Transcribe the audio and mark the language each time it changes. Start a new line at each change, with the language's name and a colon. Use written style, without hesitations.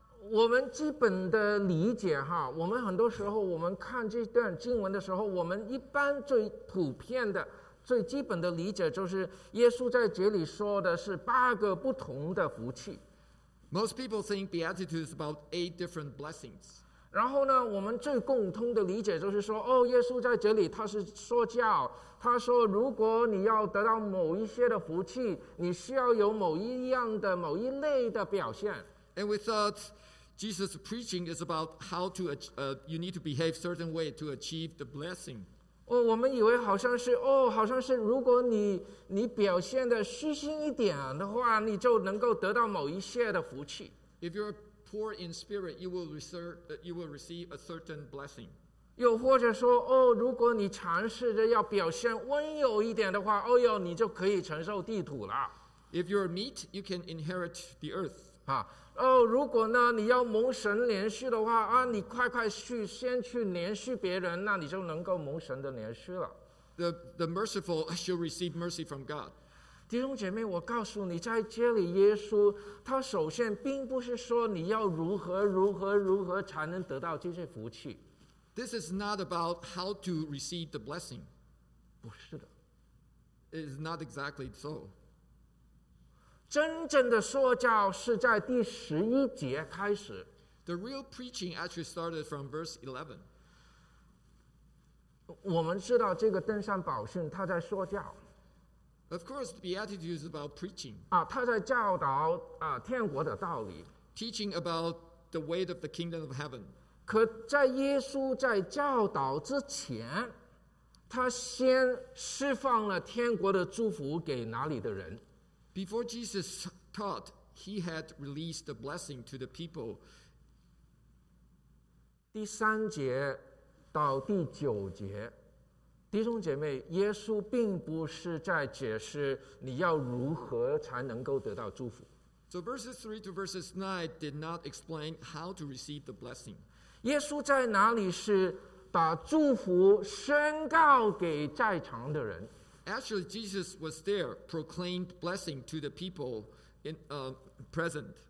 Chinese: 我们基本的理解哈，我们很多时候我们看这段经文的时候，我们一般最普遍的最基本的理解就是耶稣在这里说的是八个不同的福气。
English: Most people think Beatitudes about eight different blessings.
Chinese: 然后呢，我们最共通的理解就是说，哦，耶稣在这里他是说教，他说如果你要得到某一些的福气，你需要有某一样的某一类的表现。
English: And we thought Jesus' preaching is about how to, you need to behave a certain way to achieve the blessing.
Chinese: 我们以为好像是，好像是如果你表现得虚心一点的话，你就能够得到某一些的福气。
English: If you're poor in spirit, you will receive a certain blessing.
Chinese: 又或者说，如果你尝试着要表现温柔一点的话，你就可以承受地土了。
English: If you're meek, you can inherit the earth.
Chinese: 如果呢你要蒙神连续的话，你快快去先去连续别人，那你就能够蒙神的连续了。
English: The merciful shall receive mercy from God.
Chinese: 弟兄姐妹，我告诉你，在这里耶稣他首先并不是说你要如何如何如何才能得到这些福气。
English: This is not about how to receive the blessing.
Chinese: 不是的。
English: It is not exactly so.
Chinese: 真正的说教是在第十一节开始。
English: The real preaching actually started from verse 11.
Chinese: 我们知道这个登山宝训他在说教。
English: Of course, Beatitudes about preaching.
Chinese: 他在教导天国的道理。
English: Teaching about the weight of the kingdom of heaven.
Chinese: 可在耶稣在教导之前，他先释放了天国的祝福给哪里的人。
English: Before Jesus taught, he had released the blessing to the people.
Chinese: 第三节到第九节，弟兄姐妹，耶稣并不是在解释你要如何才能够得到祝福。
English: So verses 3 to verses 9 did not explain how to receive the blessing.
Chinese: 耶稣在哪里是把祝福宣告给在场的人。
English: Actually, Jesus was there, proclaimed blessing to the people in, present.